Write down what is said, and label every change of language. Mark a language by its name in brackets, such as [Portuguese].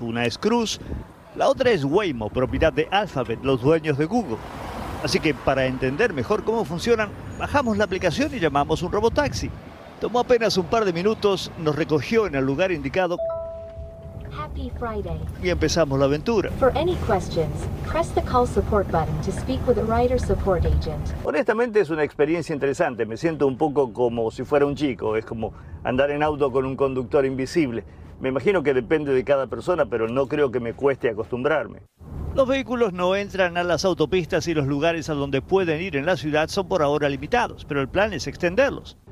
[Spanish] Una es Cruise, la otra es Waymo, propiedad de Alphabet, los dueños de Google. Así que para entender mejor cómo funcionan, bajamos la aplicación y llamamos un robotaxi. Tomó apenas un par de minutos, nos recogió en el lugar indicado. [English] Happy Friday. [Spanish] Y empezamos la aventura. [English] For any questions, press the call support button to speak with a rider support agent. [Spanish] Honestamente es una experiencia interesante, me siento un poco como si fuera un chico, es como andar en auto con un conductor invisible. Me imagino que depende de cada persona, pero no creo que me cueste acostumbrarme. Los vehículos no entran a las autopistas y los lugares a donde pueden ir en la ciudad son por ahora limitados, pero el plan es extenderlos.